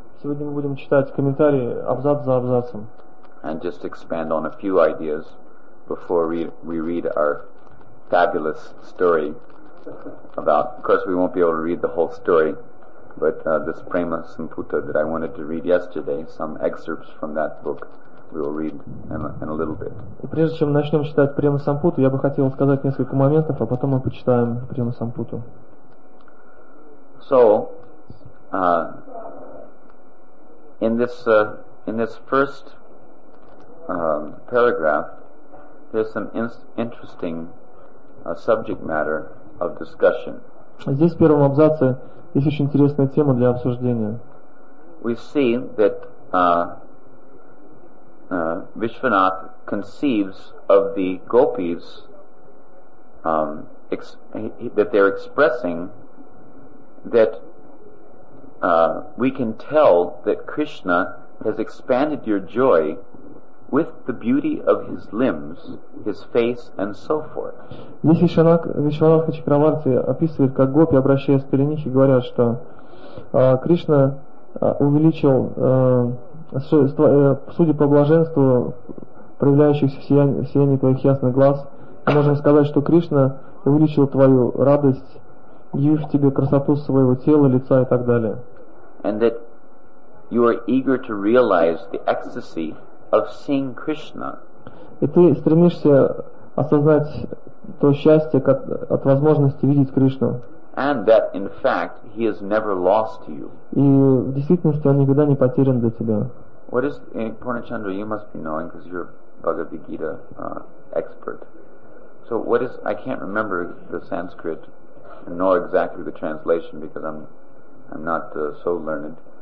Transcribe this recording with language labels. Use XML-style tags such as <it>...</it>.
<ru>Сегодня мы будем читать комментарии абзац за абзацем.</ru> <en>And just expand on a few ideas before we read our fabulous story about. Of course, we won't be able to read the whole story. But this Prema Samputa that I wanted to read yesterday, some excerpts from that book, we will read in a little bit.</en> <ru>Прежде чем начнем читать Према Самputu, я бы хотел сказать несколько моментов, а потом мы почитаем Према Самputu.</ru> <en>So, in this first paragraph, there's some interesting subject matter of discussion.</en> <ru>Здесь в первом абзаце есть очень интересная тема для обсуждения.</ru> <en>We see that Vishwanath conceives of the gopis that they're expressing that we can tell that Krishna has expanded your joy with the beauty of his limbs, his face, and so forth.</en> <ru>Здесь Вишванатха Чакраварти описывает, как гопи, обращаясь к Паринихе, говорят, что Кришна увеличил, судя по блаженству, проявляющихся в сиянии твоих ясных глаз, мы можем сказать, что Кришна увеличил твою радость, явив тебе красоту своего тела, лица и так далее.</ru> <en>And that you are eager to realize the ecstasy of seeing Krishna.</en> <ru>И ты стремишься осознать то счастье, как от возможности видеть Кришну.</ru> <en>And that in fact he is never lost to you.</en> <ru>И в действительности он никогда не потерян для тебя.</ru> <en>What is Purnachandra, you must be knowing because you're a Bhagavad Gita expert. So what is, I can't remember the Sanskrit nor exactly the translation because I'm not so learned.</en>